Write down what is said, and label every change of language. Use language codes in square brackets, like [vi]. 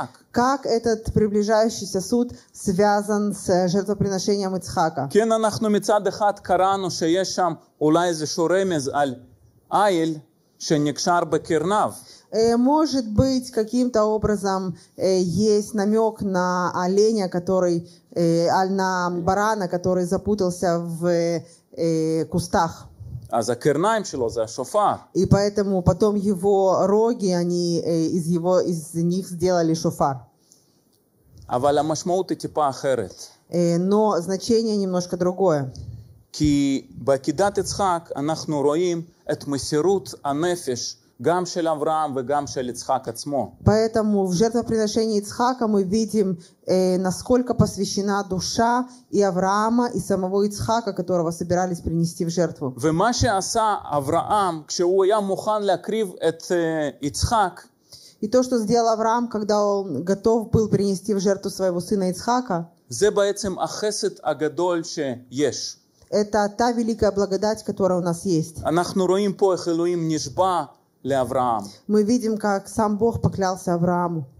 [ru] Как этот приближающийся суд связан с жертвоприношением Ицхака? [he] Кен אנחנו מצד אחד קראנו שיש שם אולי איזשהו רמז על איל שנקשר בקרנב. [ru] Может быть, каким-то образом есть намек на оленя, который, на барана, который запутался в кустах. [he] אז הקרניים שלו זה השופר. [ru] И поэтому потом его роги, они из его из них сделали шофар. [he] אבל המשמעות היא טיפה אחרת. [ru] Но значение немножко другое. [he] כי בעקידת יצחק אנחנו רואים את מסירות הנפש גם של אברהם וגם של יצחק עצמו. [ru] Поэтому в жертвоприношении Ицхака мы видим, насколько посвящена душа и Авраама, и самого Ицхака, которого собирались принести в жертву. [he] ומה שעשה אברהם כשהוא היה מוכן להקריב את יצחק. [ru] И то, что сделал Авраам, когда он готов был принести в жертву своего сына Ицхака. [he] זה בעצם החסד הגדול שיש. [ru] Это та великая благодать, которая у нас есть. [he] אנחנו רואים פה איך אלוהים נשבע לאברהם. [ru] Мы видим, как сам Бог поклялся Аврааму.